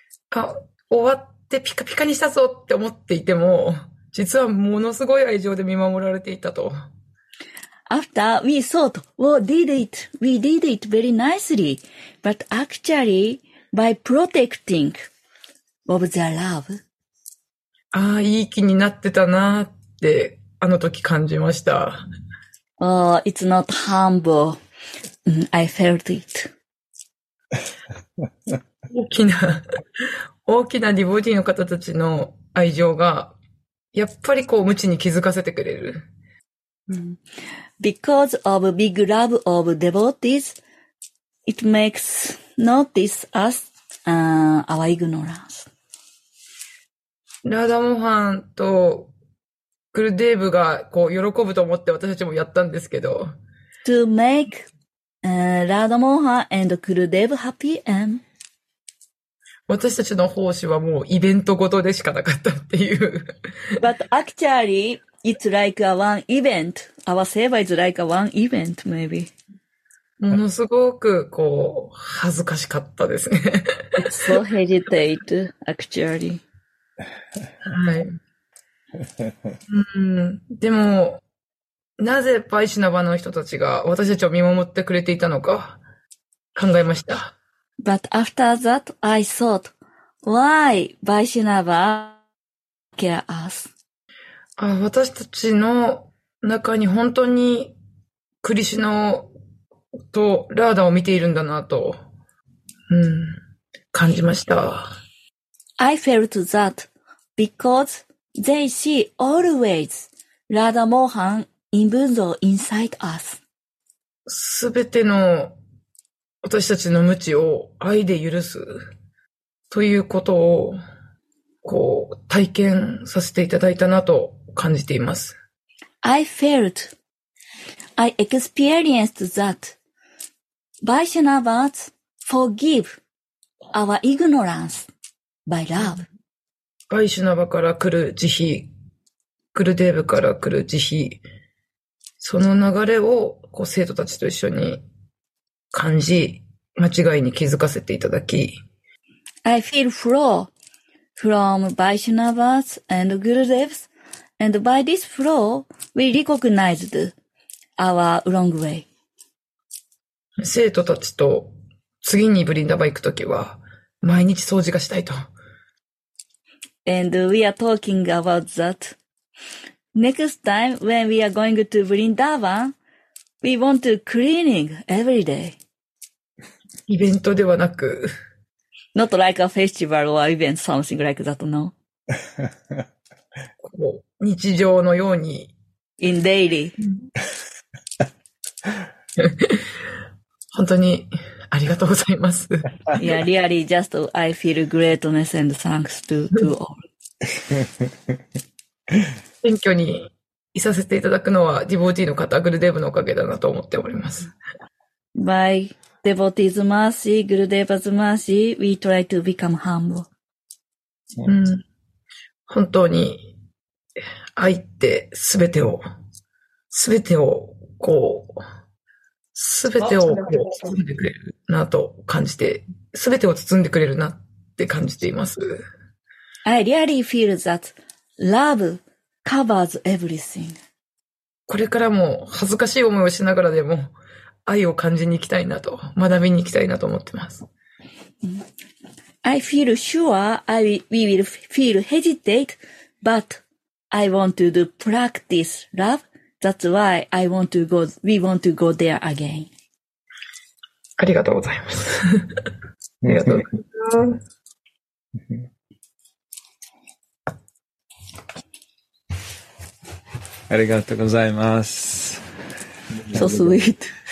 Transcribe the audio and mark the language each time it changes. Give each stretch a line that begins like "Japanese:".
Japanese: 終わってピカピカにしたぞって思っていても、実はものすごい愛情で見守られていたと。
English: After we thought, we did it, we did it very nicely, but actually by protecting of their love.
Japanese: ああ、いい気になってたなって、あの時感じました。
English: Oh, it's not humble. I felt it.
Japanese: 大きなディボディの方たちの愛情が、やっぱりこう、無知に気づかせてくれる。
English: Because of big love of devotees, it makes notice us, our ignorance.
Japanese: ラダモハンとクルデーブがこう喜ぶと思って私たちもやったんですけど。
English: To make, ラダモハン and クルデーブ happy and
Japanese: 私たちの奉仕はもうイベントごとでしかなかったっていう。
English: But actually,It's like a one event. Our seva is like a one event, maybe.
Japanese: ものすごく、こう、恥ずかしかったですね。
English: It's so hesitate, actually.
Japanese: はい。でも、なぜバイシナバの人たちが私たちを見守ってくれていたのか考えました。
English: But after that, I thought, why バイシナバ care us?
Japanese: 私たちの中に本当にクリシノとラーダを見ているんだなと、感じました。
English: I felt that because they see always Radha Mohan in Bunzo inside us.
Japanese: すべての私たちの無知を愛で許すということをこう体験させていただいたなと、感じています。
English: I felt, I experienced that Vaishnavas forgive our ignorance by love.
Japanese: Vaishnava から来る慈悲、クルデーブから来る慈悲、その流れをこう生徒たちと一緒に感じ、間違いに気づかせていただき。
English: I feel flow from Vaishnavas and Gurudevs. And by this flow, we recognized our wrong way.
Japanese: 生徒たちと次にブリンダバ行くときは毎日掃除がしたいと。
English: And we are talking about that. Next time when we are going to Vrindavan, we want to cleaning every day.
Japanese: イベントではなく。
English: Not like a festival or event, something like that, no.
Japanese: 日常のように。
English: in daily.
Japanese: 本当にありがとうございます。
English: Yeah, really, just I feel greatness and thanks to all.
Japanese: 謙虚にいさせていただくのは、ディボティの方、グルデーブのおかげだなと思っております。
English: By devotee's mercy, グルデーバ's mercy, we try to become humble.
Japanese: 本当に、愛ってすべてを、すべてを、こう、すべてを包んでくれるなと感じて、すべてを包んでくれるなって感じています。
English: I really feel that love covers everything.
Japanese: これからも恥ずかしい思いをしながらでも、愛を感じに行きたいなと、学びに行きたいなと思ってます。
English: I feel sure we will feel hesitate, but I want to do practice love. That's why I want to go, we want to go there again.
Japanese: ありがとうございます。ありがとうございます。ありがとうございます。
English: So sweet.